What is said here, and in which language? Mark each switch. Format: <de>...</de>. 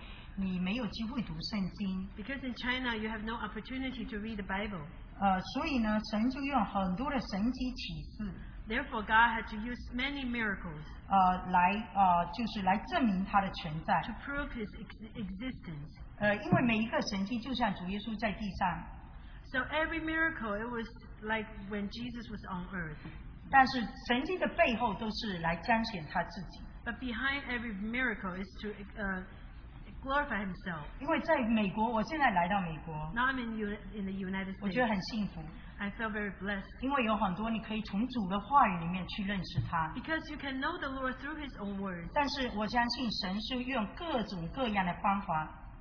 <zh>罗马书,因为我觉得认识神,因为我自己这样,在中国,因为你没有机会读圣经,</zh> <en>because in China you have no opportunity to read the Bible.</en> <zh>所以呢,神就用很多的神迹启示,</zh> <en>therefore God had to use many miracles,</en> <zh>来证明他的存在,</zh> <en>to prove his existence.</en> <zh>因为每一个神迹就像主耶稣在地上,</zh> <en>so every miracle it was like when Jesus was on earth.</en> <zh>但是神迹的背后都是来彰显他自己。</zh> <en>But behind every miracle is to glorify himself.</en> <zh>因为在美国,我现在来到美国。</zh> <en>Now I'm in the United States.</en> <zh>我觉得很幸福。</zh> <en>I feel very blessed.</en> <zh>因为有很多你可以从主的话语里面去认识他。</zh> <en>Because you can know the Lord through his own words.</en> <zh>但是我相信神是用各种各样的方法。</zh>